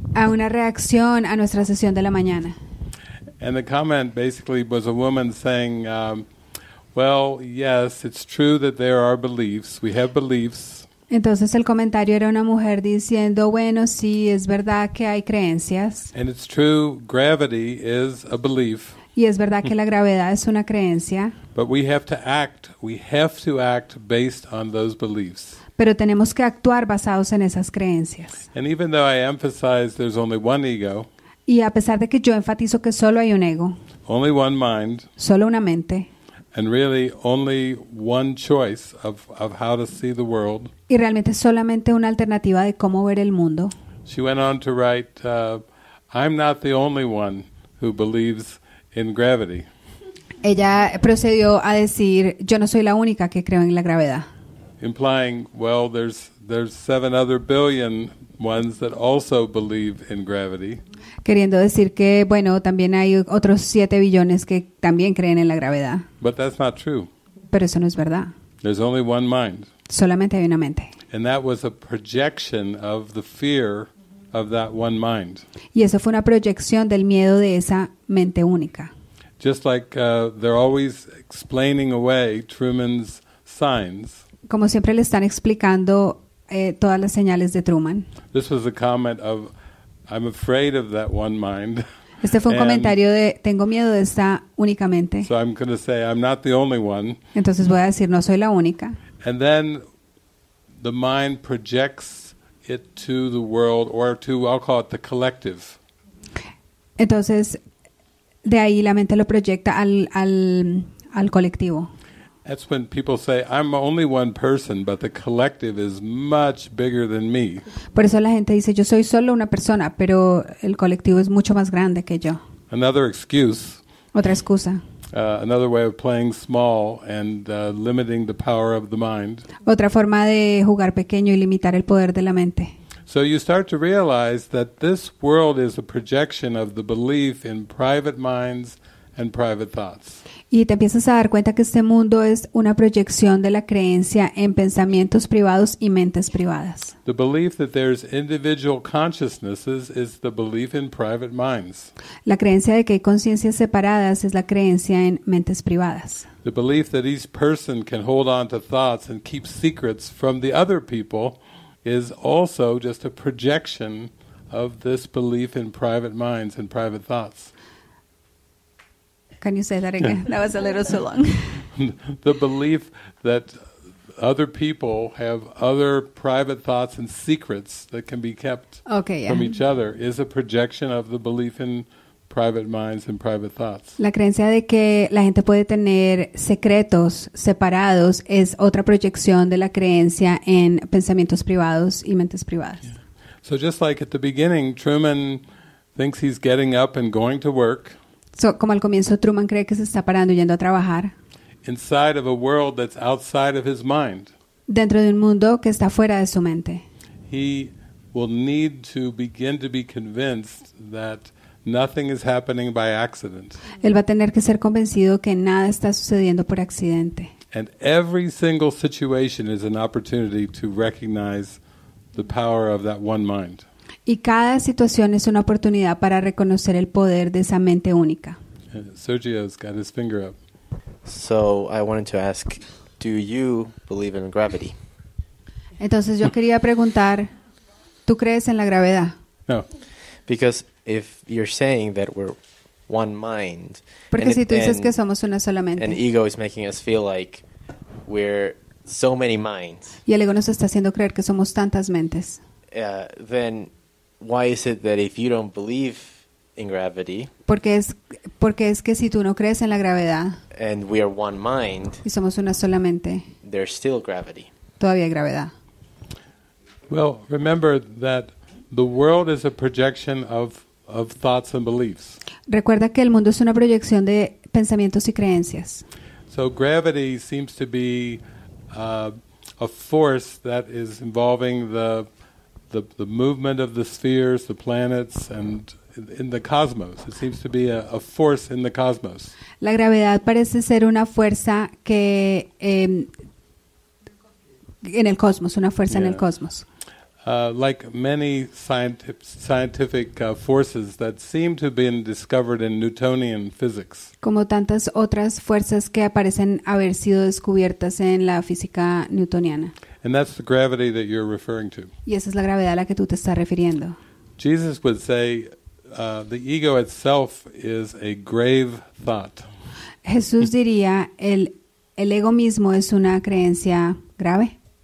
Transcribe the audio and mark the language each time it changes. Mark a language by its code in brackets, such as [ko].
[es] A una reacción a nuestra sesión de la mañana. [en] And the comment basically was a woman saying, "Well, yes, it's true that there are beliefs. We have beliefs." [es] Entonces el comentario era una mujer diciendo, "Bueno, sí, es verdad que hay creencias." [en] And it's true, gravity is a belief. [es] Y es verdad que la gravedad es una creencia. [en] But we have to act. We have to act based on those beliefs. [es] Pero tenemos que actuar basados en esas creencias. [en] And even though I emphasize there's only one ego, [es] y a pesar de que yo enfatizo que solo hay un ego, [en] only one mind, [es] solo una mente, [en] and really only one choice of how to see the world, [es] y realmente solamente una alternativa de cómo ver el mundo. [en] She went on to write, "I'm not the only one who believes in gravity." [es] Ella procedió a decir, "Yo no soy la única que creo en la gravedad." [en] Implying, well, there's 7 other billion ones that also believe in gravity. [es] Queriendo decir que, bueno, también hay otros 7 billones que también creen en la gravedad. [en] But that's not true. [es] Pero eso no es verdad. [en] There's only one mind. [es] Solamente hay una mente. [en] And that was a projection of the fear of that one mind. [es] Y eso fue una proyección del miedo de esa mente única. [en] Just like they're always explaining away Truman's signs. [es] Como siempre le están explicando todas las señales de Truman. [en] This was a comment of, "I'm afraid of that one mind." [es] Este fue un comentario de, "Tengo miedo de esta únicamente." [en] So I'm going to say, "I'm not the only one." [es] Entonces voy a decir, "No soy la única." [en] And then the mind projects it to the world, or to, I'll call it, the collective. [es] Entonces, de ahí la mente lo proyecta al colectivo. [en] That's when people say, "I'm only one person, but the collective is much bigger than me." [es] Por eso la gente dice, "Yo soy solo una persona, pero el colectivo es mucho más grande que yo." [en] Another excuse. [es] Otra excusa. [en] Another way of playing small and limiting the power of the mind. [es] Otra forma de jugar pequeño y limitar el poder de la mente. [en] So you start to realize that this world is a projection of the belief in private minds and private thoughts. [es] Y te empiezas a dar cuenta que este mundo es una proyección de la creencia en pensamientos privados y mentes privadas. [en] The belief that there's individual consciousnesses is the belief in private minds. [es] La creencia de que hay conciencias separadas es la creencia en mentes privadas. [en] The belief that each person can hold on to thoughts and keep secrets from the other people is also just a projection of this belief in private minds and private thoughts. Can you say that again? That was a little too long. The belief that other people have other private thoughts and secrets that can be kept from each other is a projection of the belief in private minds and private thoughts. [es] La creencia de que la gente puede tener secretos separados es otra proyección de la creencia en pensamientos privados y mentes privadas. [en] Yeah. So just like at the beginning, Truman thinks he's getting up and going to work. [es] So, como al comienzo, Truman cree que se está parando yendo a trabajar. [en] Inside of a world that's outside of his mind. [es] Dentro de un mundo que está fuera de su mente. [en] He will need to begin to be convinced that nothing is happening by accident. [es] Él va a tener que ser convencido que nada está sucediendo por accidente. [en] And every single situation is an opportunity to recognize the power of that one mind. [es] Y cada situación es una oportunidad para reconocer el poder de esa mente única. [en] Sergio's got his finger up. So I wanted to ask, do you believe in gravity? [es] Entonces yo quería preguntar, ¿tú crees en la gravedad? [en] No. Because if you're saying that we're one mind, [es] porque si tú dices que somos una sola mente, [en] and ego is making us feel like we're so many minds, [es] y el ego nos está haciendo creer que somos tantas mentes, [en] then why is it that if you don't believe in gravity? [es] Porque es que si tú no crees en la gravedad, [en] and we are one mind, [es] y somos una sola mente, [en] there's still gravity. [es] Todavía hay gravedad. [en] Well, remember that the world is a projection of thoughts and beliefs. [es] Recuerda que el mundo es una proyección de pensamientos y creencias. [en] So gravity seems to be a force that is involving the movement of the spheres, the planets, and in the cosmos. It seems to be a force in the cosmos. [es] La gravedad parece ser una fuerza que en el cosmos, una fuerza en el cosmos. [en] Like many scientific forces that seem to have been discovered in Newtonian physics. [es] Como tantas otras fuerzas que aparecen haber sido descubiertas en la física newtoniana. [en] And that's the gravity that you're referring to. [es] Y esa es la gravedad a la que tú te estás refiriendo. [en] Jesus would say the ego itself is a grave thought. [es] Jesús diría el ego mismo es una creencia grave.